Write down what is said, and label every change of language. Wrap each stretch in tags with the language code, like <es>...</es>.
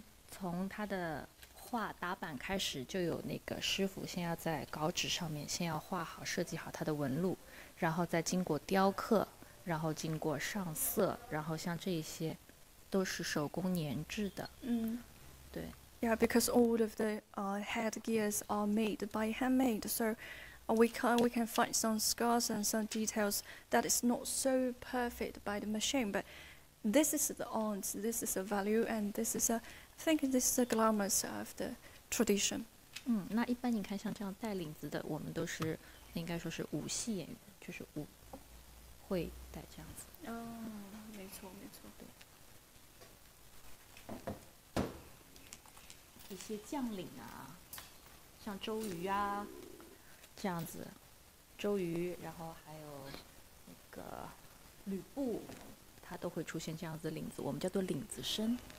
<zh>从它的画打板开始，就有那个师傅先要在稿纸上面先要画好设计好它的纹路，然后再经过雕刻，然后经过上色，然后像这些都是手工研制的。对。</zh> <en>Yeah, because all of the head gears are made by handmade, so we can find some scars and some details that is not so perfect by the machine, but this is the art, this is the value, and this is a, I think this is the glamour of the tradition.</en> <zh>那一般你看像这样带领子的，我们都是应该说是武戏演员，就是武会带这样子。没错没错。对，一些将领啊，像周瑜啊这样子，周瑜，然后还有那个吕布，他都会出现这样子的领子，我们叫做领子身。</zh>